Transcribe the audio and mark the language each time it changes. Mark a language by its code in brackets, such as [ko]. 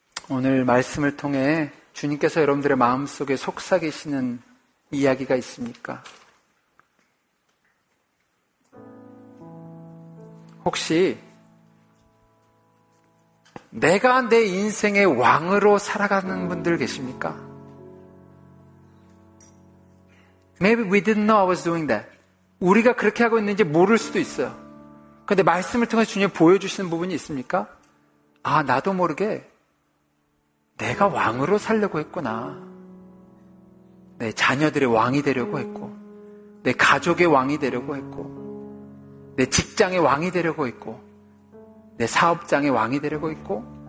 [ko] 오늘 말씀을 통해 주님께서 여러분들의 마음속에 속삭이시는 이야기가 있습니까? 혹시 내가 내 인생의 왕으로 살아가는 분들 계십니까? [en] Maybe we didn't know I was doing that. [ko] 우리가 그렇게 하고 있는지 모를 수도 있어요. 그런데 말씀을 통해서 주님이 보여주시는 부분이 있습니까? 아, 나도 모르게 내가 왕으로 살려고 했구나. 내 자녀들의 왕이 되려고 했고 내 가족의 왕이 되려고 했고 내 직장의 왕이 되려고 했고 내 사업장의 왕이 되려고 했고